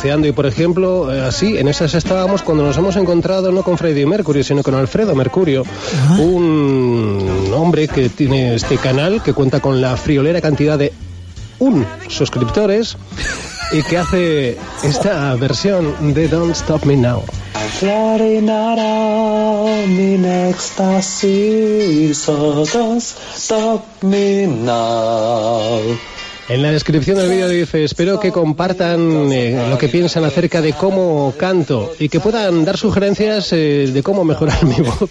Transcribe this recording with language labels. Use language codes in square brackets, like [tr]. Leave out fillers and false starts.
[es] Y por ejemplo, así, en esas estábamos cuando nos hemos encontrado no con Freddie Mercury, sino con Alfredo Mercurio, un hombre que tiene este canal, que cuenta con la friolera cantidad de 1 suscriptores y que hace esta versión de Don't Stop Me Now. [en] Flooding out on in ecstasy, so don't stop me now. [es] En la descripción del vídeo dice: espero que compartan lo que piensan acerca de cómo canto y que puedan dar sugerencias de cómo mejorar mi voz.